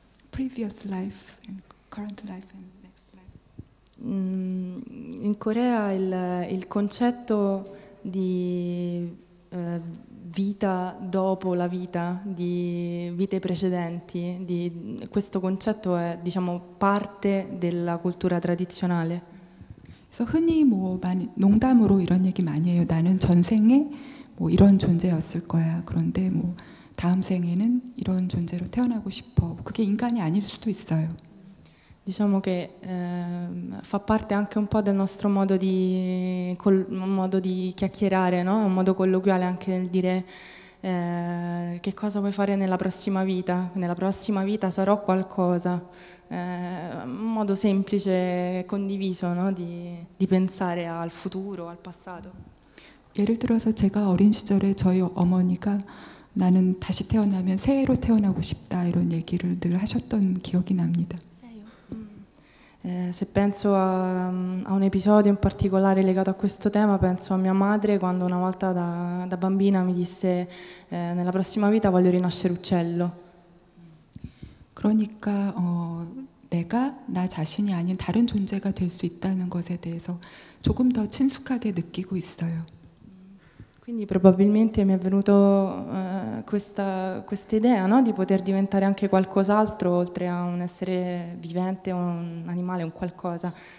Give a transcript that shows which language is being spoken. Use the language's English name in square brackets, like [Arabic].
[English] previous life and current life and next life. [Italian] In Corea il concetto di vita dopo la vita, di vite precedenti, di questo concetto è, diciamo, parte della cultura tradizionale. [Korean] 그래서 흔히 뭐 많이 농담으로 이런 얘기 많이 해요. 나는 전생에 뭐 이런 존재였을 거야. 그런데 뭐 다음 생에는 이런 존재로 태어나고 싶어. 그게 인간이 아닐 수도 있어요. [Italian] Diciamo che fa parte anche un po' del nostro modo di chiacchierare, no? Un modo colloquiale anche nel dire che cosa vuoi fare nella prossima vita. Nella prossima vita sarò qualcosa. Un modo semplice e condiviso, no? di pensare al futuro, al passato. [Korean] 예를 들어서 제가 어린 시절에 저희 어머니가 나는 다시 태어나면 새해로 태어나고 싶다 이런 얘기를 늘 하셨던 기억이 납니다. [Italian] Se penso a un episodio in particolare legato a questo tema, penso a mia madre quando una volta da bambina mi disse nella prossima vita voglio rinascere uccello. [Korean] 그러니까 내가 나 자신이 아닌 다른 존재가 될 수 있다는 것에 대해서 조금 더 친숙하게 느끼고 있어요. [Italian] Quindi probabilmente mi è venuto questa idea, no? Di poter diventare anche qualcos'altro oltre a un essere vivente, un animale, un qualcosa.